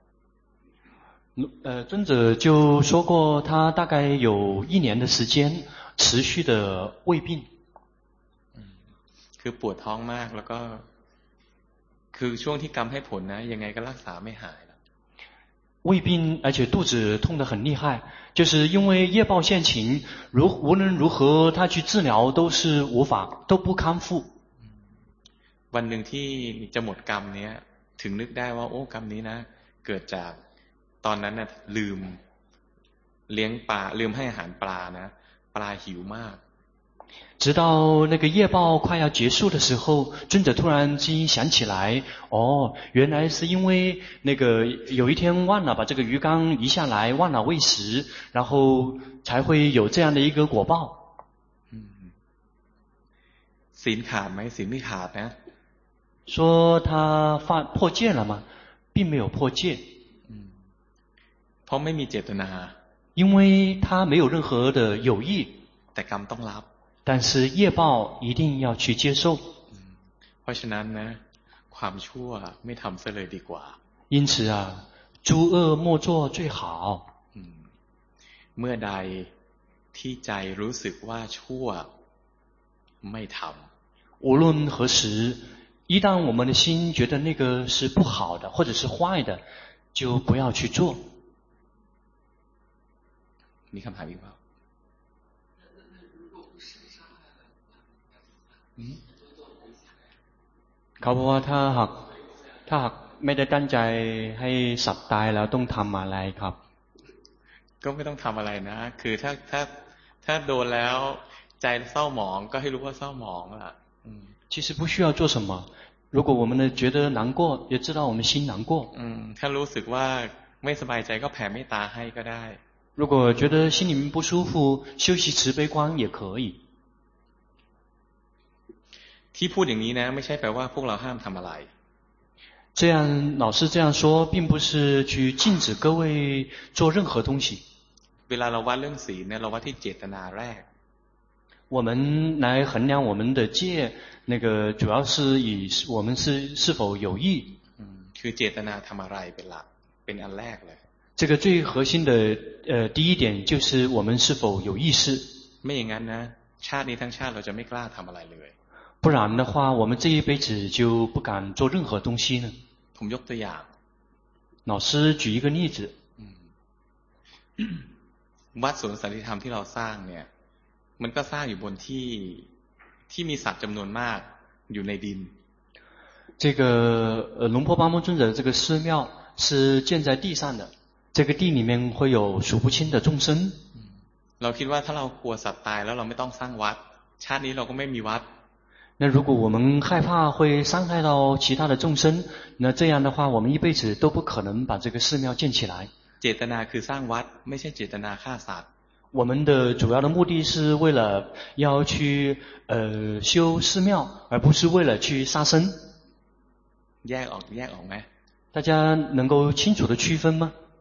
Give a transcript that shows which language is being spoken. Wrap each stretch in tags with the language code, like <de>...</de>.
<zh>ๆ尊者就说过他大概有一年的时间持续的胃病</zh> <th>คือปวดท้องมากแล้วก็คือช่วงที่กรรมให้ผลนะยังไงก็รักษาไม่หาย</th> <zh>胃病，而且肚子痛得很厉害，就是因为业报现行，无论如何他去治疗都是无法，都不康复。</zh> <th>วันหนึ่งที่จะหมดกรรมเนี้ยถึงนึกได้ว่าโอ้กรรมนี้นะเกิดจากตอนนั้นน่ะลืมเลี้ยงปลาลืมให้อาหารปลานะปลาหิวมาก</th> <zh>直到那个业报快要结束的时候，尊者突然间想起来，哦，原来是因为那个有一天忘了把这个鱼缸移下来，忘了喂食，然后才会有这样的一个果报。嗯，心卡没心没卡呢？说他犯破戒了吗？并没有破戒。</zh> <th>嗯，เพราะไม่มีเจตนา。</th> <zh>因为他没有任何的有意。</zh> <th>แต่กรรมต้องรับ。</th> <zh>但是业报一定要去接受。</zh> <th>嗯，เพราะฉะนั้นนะ，ความชั่วไม่ทำซะเลยดีกว่า。</th> <zh>因此啊，诸恶莫做最好。</zh> <th>嗯，เมื่อใดที่ใจรู้สึกว่าชั่วไม่ทำ。</th> <zh>无论何时，一旦我们的心觉得那个是不好的或者是坏的，就不要去做。你看还明白？</zh> <th>เขาบอกว่าถ้าหากไม่ได้ตั้งใจให้สัตว์ตายแล้วต้องทำอะไรครับ ก็ไม่ต้องทำอะไรนะคือถ้าโดนแล้วใจเศร้าหมองก็ให้รู้ว่าเศร้าหมองล่ะ</th> <zh>其实不需要做什么如果我们觉得难过也知道我们心难过</zh> <th>ถ้ารู้สึกว่าไม่สบายใจก็แผ่เมตตาให้ก็ได้</th> <zh>如果觉得心里面不舒服休息慈悲观也可以</zh> <th>ที่พูดอย่างนี้นะไม่ใช่แปลว่าพวกเราห้ามทำอะไร</th> <zh>这样老师这样说并不是去禁止各位做任何东西</zh> <th>เวลาเราวัดเรื่องศีลเนี่ยเราวัดที่เจตนาแรก</th> <zh>我们来衡量我们的戒那个主要是以我们是否有意</zh> <th>คือเจตนาทำอะไรเป็นอันแรกเลย</th> <zh>这个最核心的第一点就是我们是否有意识</zh> <th>ไม่อย่างนั้นนะชาตินี้ทั้งชาติเราจะไม่กล้าทำอะไรเลย</th> <zh>不然的话我们这一辈子就不敢做任何东西呢</zh> <th>ผมยกตัวอย่าง</th> <zh>老师举一个例子</zh> <th>วัดสวนสันติธรรมที่เราสร้างเนี่ยมันก็สร้างอยู่บนที่มีสัตว์จำนวนมากอยู่ในดิน</th> <zh>这个龙婆巴木尊者这个寺庙是建在地上的这个地里面会有数不清的众生</zh> <th>เราคิดว่าถ้าเรากลัวสัตว์ตายแล้วเราไม่ต้องสร้างวัดชาตินี้เราก็ไม่มีวัด</th> <zh>นั้น如果我们害怕会伤害到其他的众生那这样的话我们一辈子都不可能把这个寺庙建起来</zh> <th>เจตนาคือสร้างวัดไม่ใช่เจตนาฆ่าสัตว์</th> <zh>我们的主要的目的是为了要去修寺庙而不是为了去杀生</zh> <th>แยกออกไหม</th> <zh>大家能够清楚的区分吗</zh>